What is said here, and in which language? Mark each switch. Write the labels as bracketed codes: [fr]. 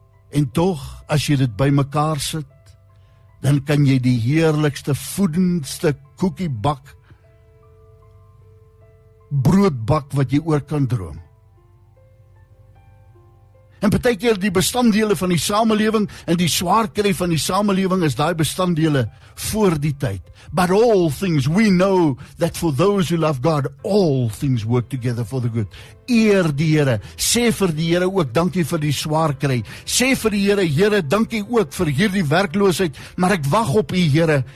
[af] En tog, as jy dit bymekaar sit, dan kan jy die heerlikste, voedendste koekie bak, brood bak wat jy oor kan droom." En partykeer die bestanddele van die samelewing en die swaarkry van die samelewing is daai bestanddele voor die tyd. [en] "But all things, we know that for those who love God, all things work together for the good." [af] Eer die Here, sê vir die Here ook dankie vir die swaarkry. Sê vir die Here, "Here, dankie ook vir hierdie werkloosheid, maar ek wag op U, Here.